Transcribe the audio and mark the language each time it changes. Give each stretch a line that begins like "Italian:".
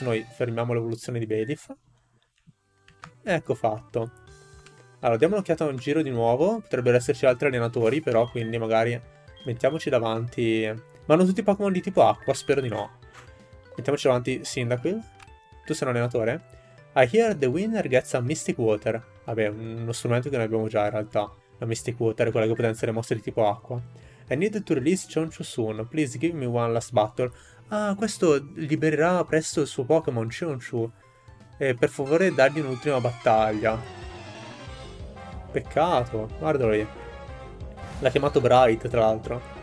Italian: Noi fermiamo l'evoluzione di Bailiff. Ecco fatto. Allora, diamo un'occhiata in giro di nuovo. Potrebbero esserci altri allenatori, però, quindi magari mettiamoci davanti. Ma hanno tutti i Pokémon di tipo acqua, spero di no. Mettiamoci davanti Cyndaquil. Tu sei un allenatore?
English: I hear the winner gets a Mystic Water.
Italian: Vabbè, uno strumento che noi abbiamo già in realtà. La Mystic Water, quella che potenzia le mosse di tipo acqua.
English: I need to release Chonchu soon. Please give me one last battle.
Italian: Ah, questo libererà presto il suo Pokémon, Chonchu. E per favore, dargli un'ultima battaglia. Peccato, guardalo lì. L'ha chiamato Bright, tra l'altro.